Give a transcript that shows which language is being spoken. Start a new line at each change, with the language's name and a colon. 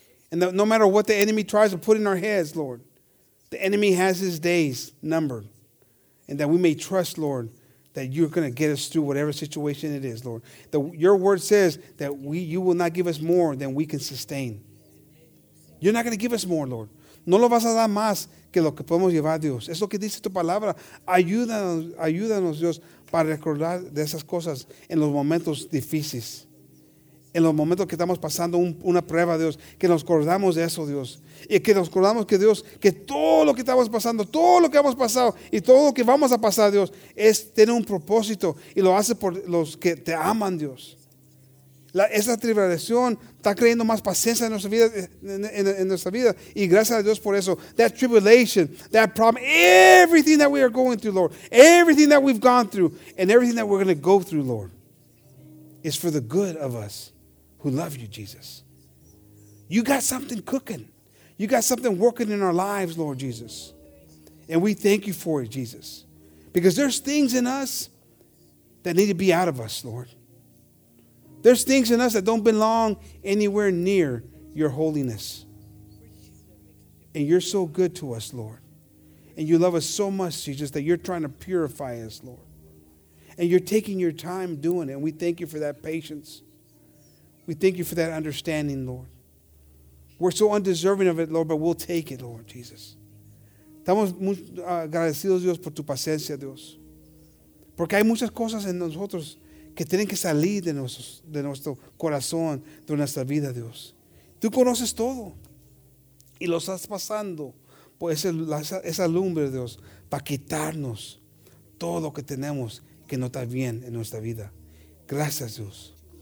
English: And that no matter what the enemy tries to put in our heads, Lord, the enemy has his days numbered. And that we may trust, Lord, that you're going to get us through whatever situation it is, Lord. That your word says that you will not give us more than we can sustain. You're not going to give us more, Lord.
Spanish: No lo vas a dar más que lo que podemos llevar, Dios. Es lo que dice tu palabra. Ayúdanos, Dios, para recordar de esas cosas en los momentos difíciles. En los momentos que estamos pasando una prueba, Dios, que nos acordamos de eso, Dios. Y que nos acordamos que, Dios, que todo lo que estamos pasando, todo lo que hemos pasado y todo lo que vamos a pasar, Dios, es tener un propósito y lo hace por los que te aman, Dios. Esa tribulación está creyendo más paciencia en nuestra vida, en nuestra vida. Y gracias a Dios por eso.
English: That tribulation, that problem, everything that we are going through, Lord, everything that we've gone through and everything that we're going to go through, Lord, is for the good of us. We love you, Jesus. You got something cooking. You got something working in our lives, Lord Jesus. And we thank you for it, Jesus. Because there's things in us that need to be out of us, Lord. There's things in us that don't belong anywhere near your holiness. And you're so good to us, Lord. And you love us so much, Jesus, that you're trying to purify us, Lord. And you're taking your time doing it. And we thank you for that patience. We thank you for that understanding, Lord. We're so undeserving of it, Lord, but we'll take it, Lord Jesus.
Spanish: Estamos muy agradecidos, Dios, por tu paciencia, Dios. Porque hay muchas cosas en nosotros que tienen que salir de nuestro corazón, de nuestra vida, Dios. Tú conoces todo. Y lo estás pasando por esa lumbre, Dios, para quitarnos todo lo que tenemos que no está bien en nuestra vida. Gracias, Dios.